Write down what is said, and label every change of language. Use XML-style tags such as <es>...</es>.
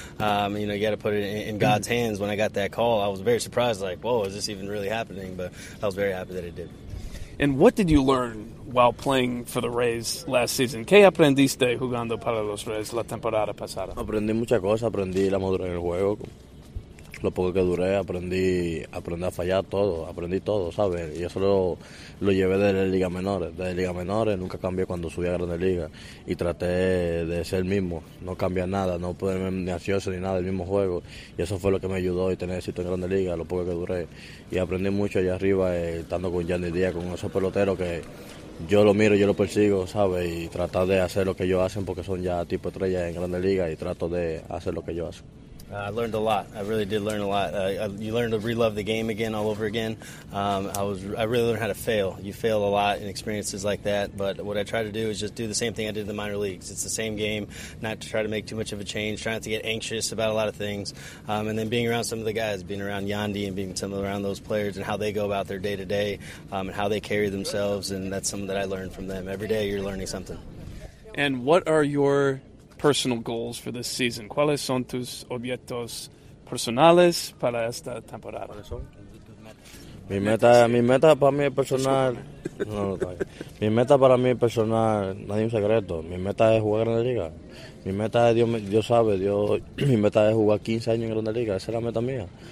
<en>You know, you got to put it in God's hands. When I got that call, I was very surprised. Like, whoa, is this even really happening? But I was very happy that it did. And what did you learn while playing for the Rays last season?</en> <es>¿Qué aprendiste jugando para los Rays la temporada pasada? Aprendí muchas cosas. Aprendí la madurez en el juego. Lo poco que duré, aprendí a fallar todo. Aprendí todo, ¿sabes? Y eso lo llevé de la Liga Menor. De la Liga Menor nunca cambié cuando subí a Grandes Ligas. Y traté de ser el mismo. No cambiar nada. No ponerme ni ansioso ni nada. El mismo juego. Y eso fue lo que me ayudó y tener éxito en Grandes Ligas. Lo poco que duré. Y aprendí mucho allá arriba, estando con Yandy Díaz, con esos peloteros que yo lo miro, yo lo persigo, ¿sabes? Y tratar de hacer lo que ellos hacen porque son ya tipo estrellas en Grandes Ligas. Y trato de hacer lo que ellos hacen.</es> <en>I learned a lot. I really did learn a lot. You learn to re-love the game again, all over again. I really learned how to fail. You fail a lot in experiences like that. But what I try to do is just do the same thing I did in the minor leagues. It's the same game, not to try to make too much of a change, try not to get anxious about a lot of things. And then being around some of the guys, being around Yandy and being around those players and how they go about their day-to-day and how they carry themselves. And that's something that I learned from them. Every day you're learning something. And what are your personal goals for this season?</en> <es>¿Cuáles son tus objetivos personales para esta temporada? Mi meta para mí personal. Mi meta para mí personal, no hay un secreto. Mi meta es jugar en Grandes Ligas. Mi meta es, mi meta es jugar 15 años en Grandes Ligas. Esa es la meta mía.</es>